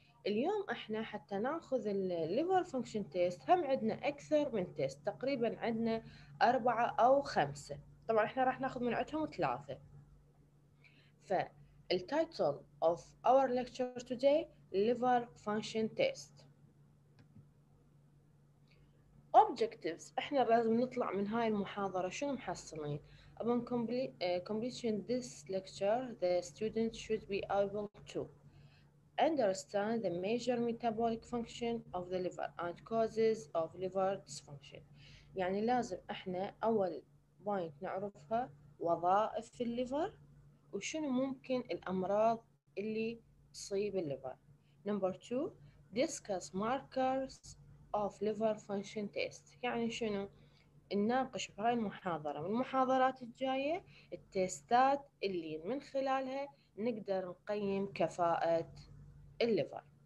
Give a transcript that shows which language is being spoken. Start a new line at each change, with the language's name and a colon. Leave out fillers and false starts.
Arabic: اليوم إحنا حتى ناخذ الليفر فانكشن تيست هم عندنا أكثر من تيست، تقريبا عندنا أربعة أو خمسة، طبعا إحنا راح ناخذ من عندهم ثلاثة.
English: فالتايتل of our lecture today Liver function test. Objectives.
Arabic: إحنا لازم نطلع من هاي المحاضرة شنو محصلين؟
English: Upon completion this lecture, the student should be able to understand the major metabolic function of the liver and causes of liver dysfunction.
Arabic: يعني لازم إحنا أول point نعرفها وظائف في الليفر وشنو ممكن الأمراض اللي تصيب الليفر.
English: Number two, discuss markers of liver function test.
Arabic: يعني شنو؟ نناقش بهاي المحاضرة من المحاضرات الجاية التيستات اللي من خلالها نقدر نقيم كفاءة الليفر.